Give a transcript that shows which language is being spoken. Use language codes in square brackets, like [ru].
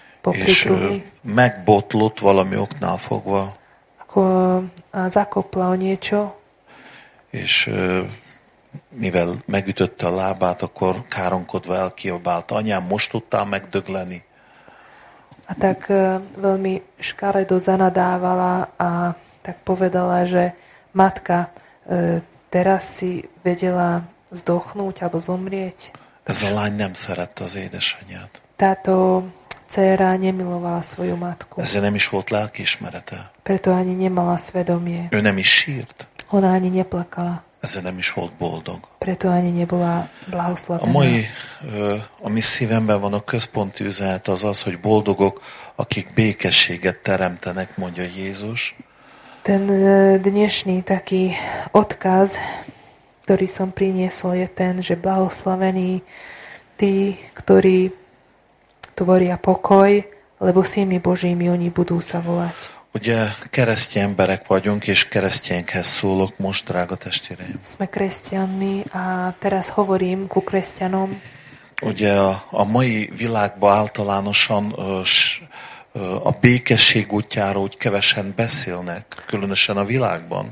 [hu] És megbotlott valami oknál fogva. [sk] A zakopla o niečo. [hu] És mivel megütötte a lábát, akkor káronkodva elkiabálta. Anyám, most tudtál megdögleni? [sk] A tak veľmi škaredo zanadávala a tak povedala, že matka, teraz si vedela zdochnúť alebo zomrieť. [hu] Ez a lány nem szerette az édesanyját. [sk] Táto dcera nemilovala svoju matku. [hu] Ezért nem is volt lelkiismerete. [sk] Preto ani nemala svedomie. [hu] Ő nem is sírt. [sk] Ona ani neplakala. [hu] Ezért nem is volt boldog. [sk] Preto ani nebola blahoslavená. [hu] Ami szívemben van, a központi üzenet az az, hogy boldogok, akik békességet teremtenek, mondja Jézus. [sk] Ten dnešný taký odkaz, ktorý som priniesol, je ten, že blahoslavení tí, ktorí tvoria pokoj, lebo synmi Božími oni budú sa volať. [hu] Ugye keresztény emberek vagyunk, és keresztényekhez szólok most, drága testvéreim. [sk] Sme kresťanmi, a teraz hovorím ku kresťanom. [hu] Ugye a mai világban általánosan a békesség útjáról úgy kevesen beszélnek, különösen a világban.